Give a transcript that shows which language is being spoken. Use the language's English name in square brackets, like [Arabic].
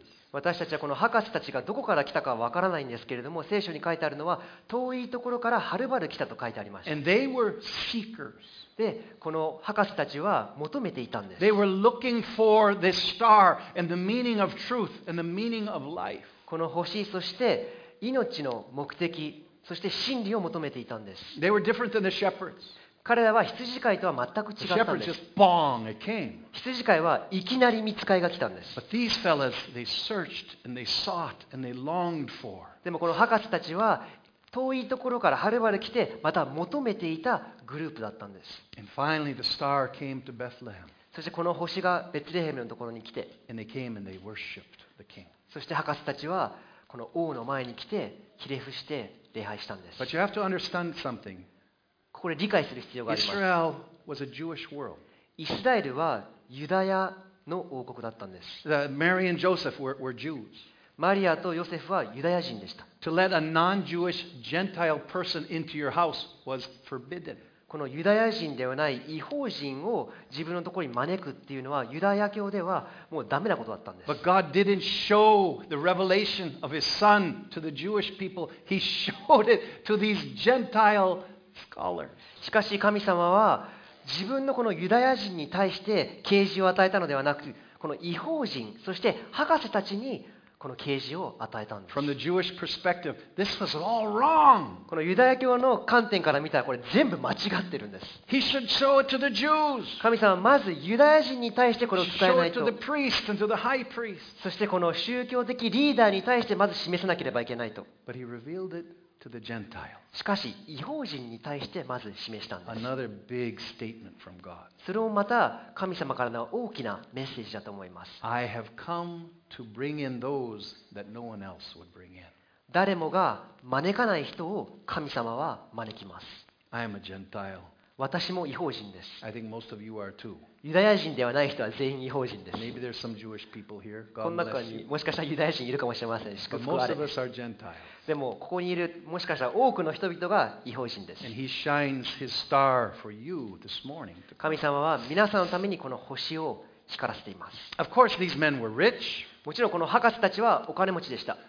[Japanese] 私たちはこの博士たちがどこから来たかわからないんですけれども、聖書に書いてあるのは遠いところからはるばる来たと書いてありました。 [English] And they were seekers. [Japanese] で、この博士たちは求めていたんです。 [English] They were looking for this star and the meaning of truth and the meaning of life. [Japanese] この星、そして命の目的、そして真理を求めていたんです。 [English] They were different than the shepherds. [Japanese] 彼らは羊飼いとは全く違ったんです。 [English] Just, bong, it came. [Japanese] 羊飼いはいきなり見つかりが来たんです。 [English] But these fellas, they searched and they sought and they longed for. [Japanese] でもこの博士たちは遠いところからはるばる来てまた求めていたグループだったんです。 [English] And finally, the star came to Bethlehem. [Japanese] そしてこの星がベツレヘムのところに来て。 [English] And they came and they worshipped the king. [Japanese] そして博士たちはこの王の前に来てひれ伏して礼拝したんです。 [English] But you have to understand something. [Japanese] これ理解する必要があります。 [English] Israel was a Jewish world. [Japanese] イスラエルはユダヤの王国だったんです。 [English] Mary and Joseph were Jews. [Japanese] マリアとヨセフはユダヤ人でした。 [English] To let a non-Jewish Gentile person into your house was forbidden. [Japanese] このユダヤ人ではない異邦人を自分のところに招くっていうのはユダヤ教ではもうダメなことだったんです。 [English] But God didn't show the revelation of His Son to the Jewish people. He showed it to these Gentile. [Japanese] しかし神様は自分のこのユダヤ人に対して啓示を与えたのではなく、この異邦人、そして博士たちにこの啓示を与えたんです。 [English] From the Jewish perspective, this was all wrong. [Japanese] このユダヤ教の観点から見たらこれ全部間違ってるんです。 [English] He should show it to the Jews. [Japanese] 神様はまずユダヤ人に対してこれを伝えないと。 [English] Show it to the priests and to the high priests. [Japanese] そしてこの宗教的リーダーに対してまず示さなければいけないと。 [English] But he revealed it to the Gentiles. [Japanese] しかし異邦人に対してまず示したんです。 [English] Another big statement from God. [Japanese] それもまた神様からの大きなメッセージだと思います。 [English] I have come. To bring in those that no one else would bring in. [Japanese] 誰もが招かない人を神様は招きます。 [English] I am a Gentile. [Japanese] 私も異邦人です。 [English] I think most of you are too. [Japanese] ユダヤ人ではない人は全員異邦人です。 [English] Maybe there's some Jewish people here. God bless you. [Japanese] この中にもしかしたらユダヤ人いるかもしれません。 [English] But most of us are Gentiles. [Japanese] でもここにいるもしかしたら多くの人々が異邦人です。 [English] And He shines His star for you this morning. [Japanese] 神様は皆さんのためにこの星を光らせています。 [English] Of course, these men were rich. [Japanese] もちろんこの博士たちはお金持ちでした。